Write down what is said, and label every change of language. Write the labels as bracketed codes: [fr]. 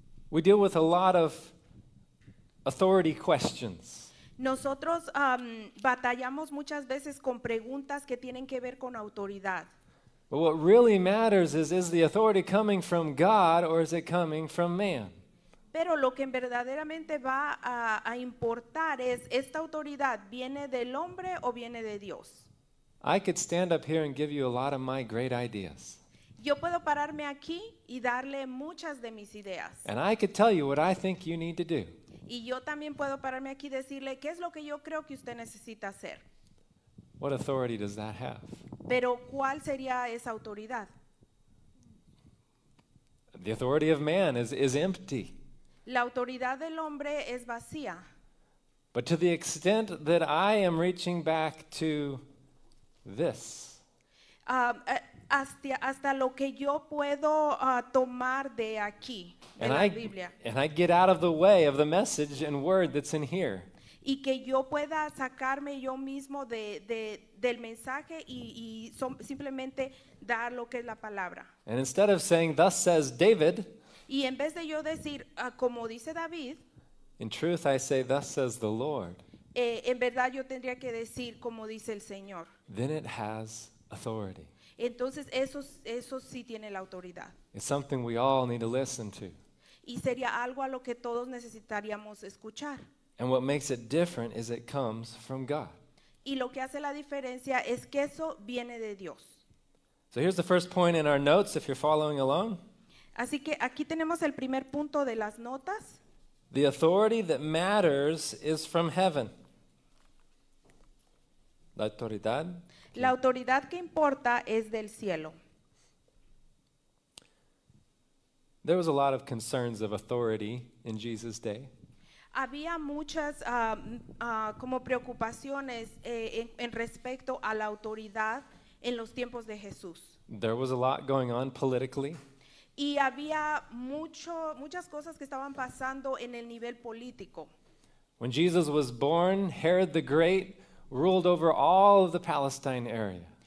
[en] We deal with a lot of authority questions. [es] Nosotros batallamos muchas veces con preguntas que tienen que ver con autoridad. [en] But what really matters is the authority coming from God or is it coming from man? [es] Pero lo que verdaderamente va a importar es, ¿esta autoridad viene del hombre o viene de Dios? [en] I could stand up here and give you a lot of my great ideas. [es] Yo puedo pararme aquí y darle muchas de mis ideas. [en] And I could tell you what I think you need to do. [es] Y yo también puedo pararme aquí y decirle qué es lo que yo creo que usted necesita hacer. [en] What authority does that have? [es] Pero ¿cuál sería esa autoridad? [en] The authority of man is empty. [es] La autoridad del hombre es vacía. [en] But to the extent that I am reaching back to this. [es] Hasta lo que yo puedo tomar de aquí, [en] and [es] de la Biblia. [en] And I get out of the way of the message and word that's in here. [es] Y que yo pueda sacarme yo mismo del mensaje y simplemente dar lo que es la palabra. [en] And instead of saying, thus says David, [es] y en vez de yo decir, como dice David, [en] in truth I say, thus says the Lord, [es] en verdad yo tendría que decir, como dice el Señor. [en] Then it has authority. [es] Entonces eso sí tiene la autoridad. [en] It's something we all need to listen to. [es] Y sería algo a lo que todos necesitaríamos escuchar. [en] And what makes it different is it comes from God. [es] Y lo que hace la diferencia es que eso viene de Dios. [en] So here's the first point in our notes if you're following along. [es] Así que aquí tenemos el primer punto de las notas. [en] The authority that matters is from heaven. [es] La autoridad. La autoridad que importa es del cielo. [en] There was a lot of concerns of authority in Jesus' day. [es] Había muchas como preocupaciones en respecto a la autoridad en los tiempos de Jesús. [en] There was a lot going on politically. [es] Y había muchas cosas que estaban pasando en el nivel político. [en] When Jesus was born, Herod the Great ruled over all of the Palestine area.